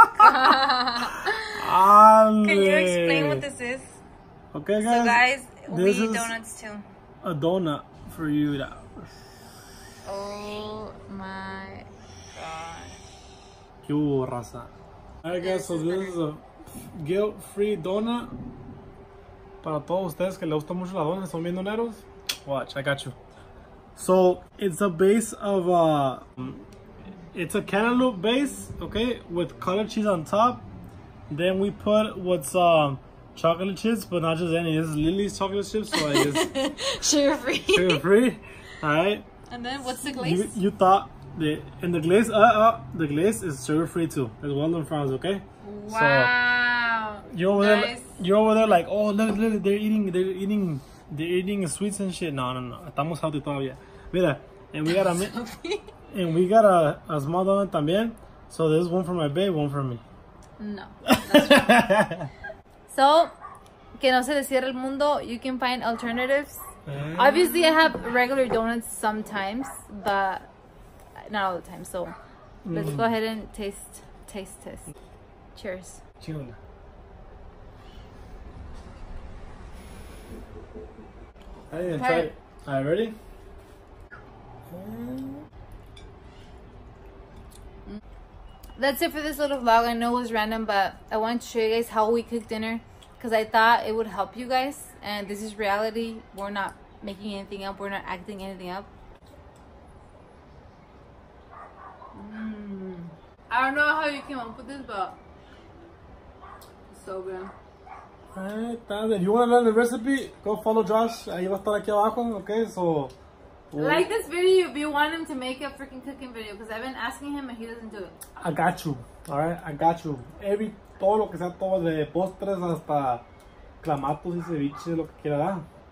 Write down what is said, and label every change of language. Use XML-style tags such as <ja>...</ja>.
<en>god. Can you explain what this is? Okay, guys. So guys, we eat donuts too. A donut for you. Oh my god.</en> <es>Que hubo, raza.</es> <en>Alright guys, so this is a guilt-free donut.</en> <es>Para todos ustedes que les gusta mucho la dona, son bien doneros.</es> <en>Watch, I got you. So, it's a base of it's a cantaloupe base, okay, with cottage cheese on top. Then we put what's chocolate chips, but not just any. This is Lily's chocolate chips, so I guess. Sugar-free. Sugar-free. All right. And then what's the glaze? You thought, the glaze is sugar-free too. It's well done fries, okay? Wow. So You're over there like, oh, look, they're eating sweets and shit. No.</en> <es>Estamos</es> <en>healthy</en> <es>todavía. Mira,</es> <en>and we got a mint. And we got a small donut</en> <es>también.</es> <en>So there's one for my babe, one for me. No. So,</en> <es>que no se les cierre el mundo.</es> <en>You can find alternatives. Obviously, I have regular donuts sometimes, but not all the time. So, let's go ahead and taste test. Cheers. Chula. All right, ready? That's it for this little vlog. I know it was random, but I wanted to show you guys how we cook dinner because I thought it would help you guys. And this is reality. We're not making anything up. We're not acting anything up. I don't know how you came up with this, but it's so good. All right, if you want to learn the recipe, go follow Josh.</en> <es>He va a estar aquí abajo,</es> <en>okay? So, like this video if you want him to make a freaking cooking video, because I've been asking him and he doesn't do it. I got you. All right, I got you. Every</en> <es>todo lo que sea todo de postres hasta clamatos y ceviche lo que quiera.</es>